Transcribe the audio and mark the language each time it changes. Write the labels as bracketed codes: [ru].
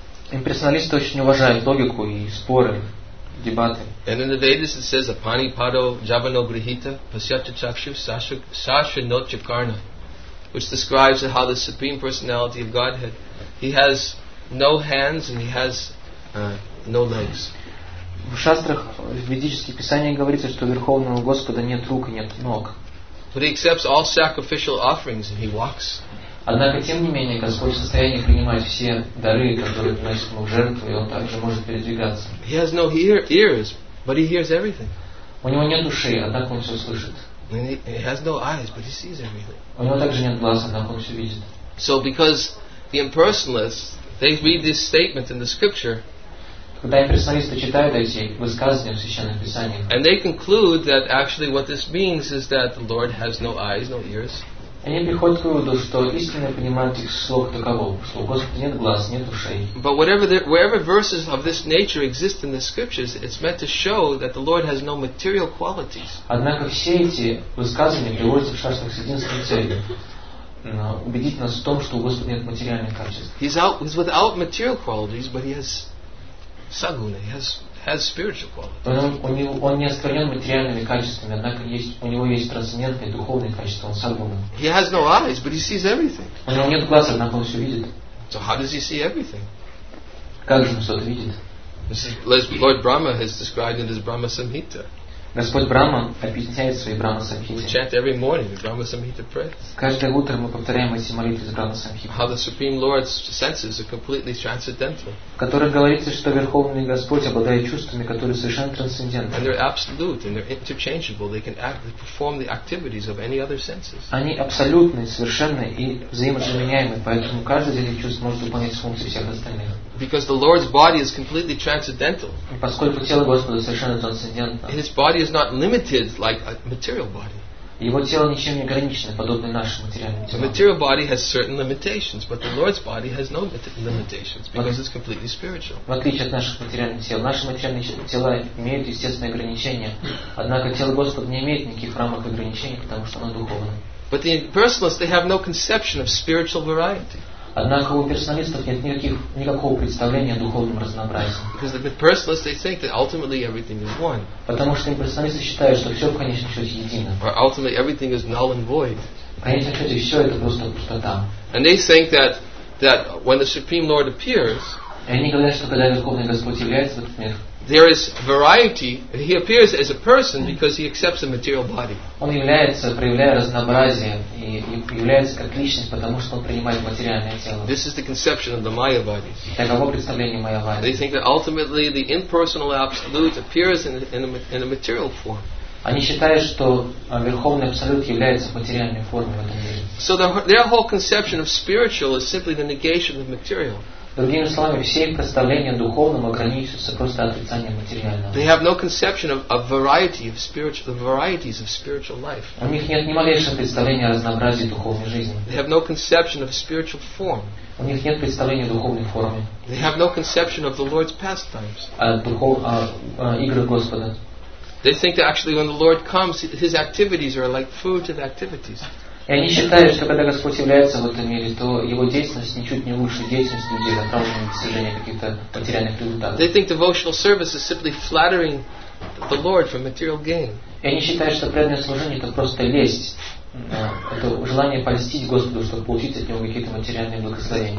[ru] Имперсоналисты очень уважают логику и споры, дебаты. [en] And in the Vedas it says, [sa] "Apani pado javano grihita pasyacha chakshu sasha no chakarna," [en] which describes how the supreme personality of Godhead, he has no hands and he has no legs. [ru] В шастрах, в ведических писаниях говорится, что верховного Господа нет рук и нет ног. [en] But he accepts all sacrificial offerings and he walks. [ru] Однако, тем не менее, Господь в состоянии принимать все дары, которые приносит ему в жертву, и он также может передвигаться. [en] He has no ears, but he hears everything. [ru] У него нет ушей, однако он все слышит. [en] And he has no eyes, but he sees everything. [ru] У него также нет глаз, однако он все видит. [en] So because the impersonalists, they read this statement in the scripture. [ru] Когда имперсоналисты читают эти высказывания в священных писаниях. [en] And they conclude that actually what this means is that the Lord has no eyes, no ears. [ru] Они приходят к выводу, что истинно понимают их слов таково, что у Господа нет глаз, нет ушей. [en] But whatever wherever verses of this nature exist in the scriptures, it's meant to show that the Lord has no material qualities. [ru] Однако все эти высказывания приводятся в шастрах с единственной целью убедить нас в том, что у Господа нет материальных качеств. [en] He's without material qualities, but he has saguna, he has spiritual qualities. [ru] Он не оскорнен материальными качествами, однако у него есть трансцендентные духовные качества, он сагуна. [en] He has no eyes, but he sees everything. [ru] У него нет глаз, однако он все видит. [en] So how does he see everything? [ru] Как же он все это видит? [en] As Lord Brahma has described in his Brahma Samhita. [ru] Господь Брахма объясняет свои Брахма Самхиты. [en] We chant every morning the Brahma Samhita prayers. [ru] Каждое утро мы повторяем эти молитвы из Брахма Самхиты. [en] How the Supreme Lord's senses are completely transcendental. [ru] В которых говорится, что Верховный Господь обладает чувствами, которые совершенно трансцендентны. [en] And they're absolute and they're interchangeable. They can perform the activities of any other senses. [ru] Они абсолютны, совершенны и взаимозаменяемы, поэтому каждое из этих чувств может выполнять функции всех остальных. [en] Because the Lord's body is completely transcendental. [ru] Поскольку тело Господа совершенно трансцендентно. [en] His body is not limited like a material body. [ru] Его тело ничем не ограничено, подобно нашему материальному телу. [en] The material body has certain limitations, but the Lord's body has no limitations because it's completely spiritual. [ru] В отличие от наших материальных тел, наши материальные тела имеют естественные ограничения. Однако тело Господа не имеет никаких рамок ограничений, потому что оно духовное. [en] But the impersonalists, they have no conception of spiritual variety. [ru] Однако у персоналистов нет никакого представления о духовном разнообразии. [en] Because the personalists, they think that ultimately everything is one. [ru] Потому что имперсоналисты считают, что все в конечном счете едино. [en] Or ultimately everything is null and void. [ru] В конечном счете все это просто пустота. [en] And they think that when the Supreme Lord appears, [ru] и они говорят, что когда Верховный Господь является в этот мир, [en] there is variety. He appears as a person because he accepts a material body. [ru] Он является, проявляя разнообразие, и является как личность, потому что он принимает материальное тело. [en] This is the conception of the Mayavadis. [ru] Таково представление майявадов. [en] They think that ultimately the impersonal absolute appears in a material form. [ru] Они считают, что верховный абсолют является в материальной форме в этом мире. [en] So their whole conception of spiritual is simply the negation of material. [ru] Другими словами, все их представления о духовном ограничиваются просто отрицанием материального. [en] They have no conception of variety of spiritual, the varieties of spiritual life. [ru] У них нет ни малейшего представления о разнообразии духовной жизни. [en] They have no conception of spiritual form. [ru] У них нет представления о духовной форме. [en] They have no conception of the Lord's pastimes. [ru] Игры Господа. [en] They think that actually when the Lord comes, his activities are like food to the activities. [ru] И они считают, что когда Господь является в этом мире, то его деятельность ничуть не лучше деятельности людей, направленной на достижение каких-то материальных результатов. [en] They think devotional service is simply flattering the Lord for material gain. [ru] И они считают, что преданное служение это просто лесть, это желание польстить Господу, чтобы получить от него какие-то материальные благословения.